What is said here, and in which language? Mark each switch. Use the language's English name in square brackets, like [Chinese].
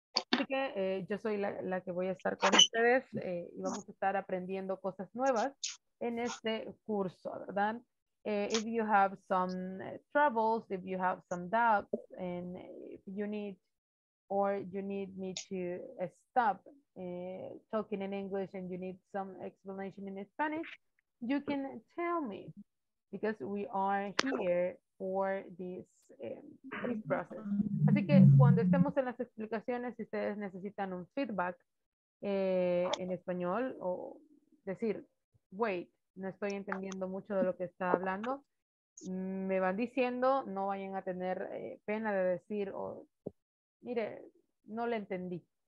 [Spanish] Así que yo soy la que voy a estar con ustedes y vamos a estar aprendiendo cosas nuevas en este curso, ¿verdad? [English] If you have some troubles, if you have some doubts, and if you need or you need me to stop talking in English and you need some explanation in Spanish, you can tell me because we are here for this, this process. [Spanish] Así que cuando estemos en las explicaciones, si ustedes necesitan un feedback en español o decir, wait, no estoy entendiendo mucho de lo que está hablando, me van diciendo, no vayan a tener pena de decir, mire, no le entendí.